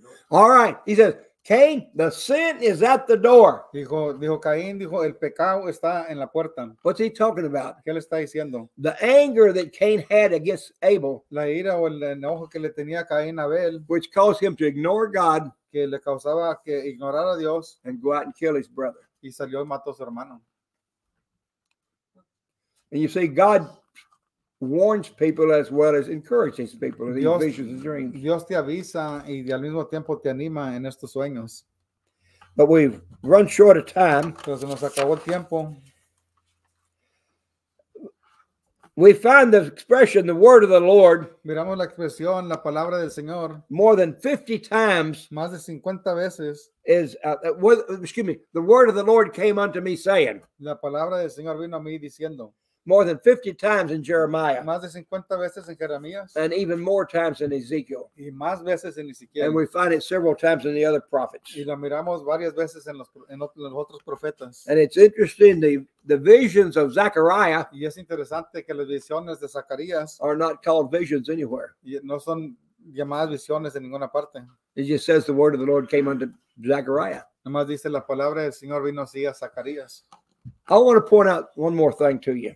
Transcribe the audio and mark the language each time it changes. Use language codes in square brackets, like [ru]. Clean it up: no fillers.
[en] All right, he says, Cain, the sin is at the door. [es] Dijo Caín, dijo, el pecado está en la puerta. [en] What's he talking about? [es] ¿Qué le está diciendo? [en] The anger that Cain had against Abel. [es] La ira o el enojo que le tenía Caín a Abel. [en] Which caused him to ignore God. [es] Que le causaba que ignorara a Dios. [en] And go out and kill his brother. [es] Y salió y mató a su hermano. [en] And you see, God warns people as well as encourages people in these visions and dreams. [es] Dios te avisa y al mismo tiempo te anima en estos sueños. [en] But we've run short of time. [es] Pero se nos acabó el tiempo. [en] We find the expression, the word of the Lord. [es] Miramos la expresión, la palabra del Señor. [en] More than 50 times. [es] Más de 50 veces. [en] The word of the Lord came unto me saying. [es] La palabra del Señor vino a mí diciendo. [en] More than 50 times in Jeremiah. [es] Más de 50 veces en Jeremías. [en] And even more times in Ezekiel. [es] Y más veces en Ezequiel. [en] And we find it several times in the other prophets. [es] Y la miramos varias veces en los otros profetas. [en] And it's interesting, the visions of Zechariah. [es] Y es interesante que las visiones de Zacarías. [en] Are not called visions anywhere. [es] Y no son llamadas visiones en ninguna parte. [en] It just says the word of the Lord came unto Zechariah. [es] Nomás dice la palabra del Señor vino así a Zacarías. [en] I want to point out one more thing to you.